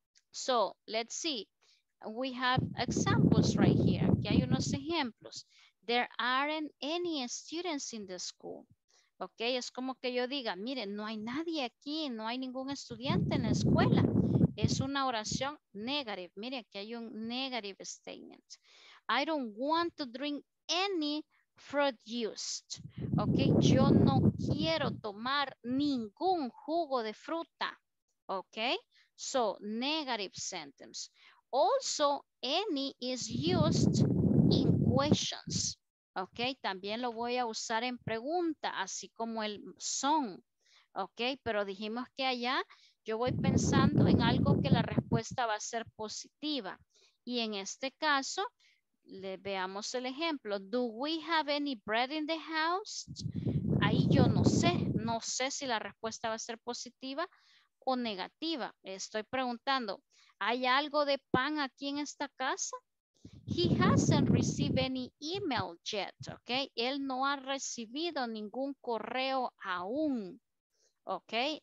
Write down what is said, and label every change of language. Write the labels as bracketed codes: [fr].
[en] So, let's see. We have examples right here. [es] Aquí hay unos ejemplos. [en] There aren't any students in the school. [es] Ok, es como que yo diga, mire, no hay nadie aquí, no hay ningún estudiante en la escuela. Es una oración negative. Mire, aquí hay un negative statement. [en] I don't want to drink any fruit juice. [es] Ok, yo no quiero tomar ningún jugo de fruta. [en] Ok, so negative sentence. Also, any is used in questions. [es] Ok, también lo voy a usar en pregunta, así como el son. Ok, pero dijimos que allá yo voy pensando en algo que la respuesta va a ser positiva. Y en este caso, le veamos el ejemplo. [en] Do we have any bread in the house? [es] Ahí yo no sé, no sé si la respuesta va a ser positiva o negativa. Estoy preguntando, ¿hay algo de pan aquí en esta casa? [en] He hasn't received any email yet, ok. [es] Él no ha recibido ningún correo aún, ok.